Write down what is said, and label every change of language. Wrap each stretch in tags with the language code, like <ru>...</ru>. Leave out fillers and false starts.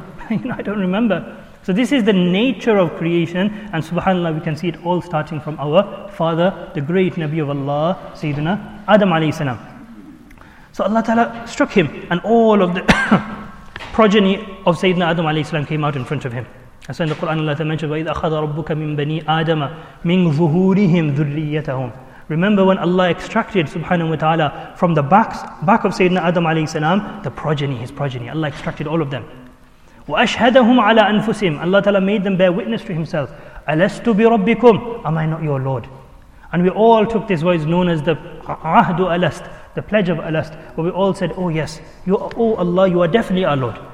<en>I don't remember. So this is the nature of creation, and subhanAllah, we can see it all starting from our father, the great Nabi of Allah, Sayyidina Adam alayhi salam. So Allah Ta'ala struck him, and all of the progeny of Sayyidina Adam alayhi salam came out in front of him. And so in the Quran, Allah Ta'ala mentioned,</en> <ar>وَإِذْ أَخَذَ رَبُّكَ مِنْ بَنِي آدَمَ مِنْ ظُهُورِهِمْ ذُرِّيَّتَهُمْ.</ar> <en>Remember when Allah extracted subhanahu wa ta'ala from the back of Sayyidina Adam alayhi salam, the progeny, his progeny. Allah extracted all of them.</en> <ar>وَأَشْهَدَهُمْ عَلَىٰ أَنفُسِهِمْ.</ar> <en>Allah Ta'ala made them bear witness to himself.</en> <ar>أَلَسْتُ بِرَبِّكُمْ.</ar> <en>Am I not your Lord? And we all took this voice known as the عَهْدُ أَلَسْتُ, the pledge of Alast, where we all said, oh yes, Allah, you are definitely our Lord.</en>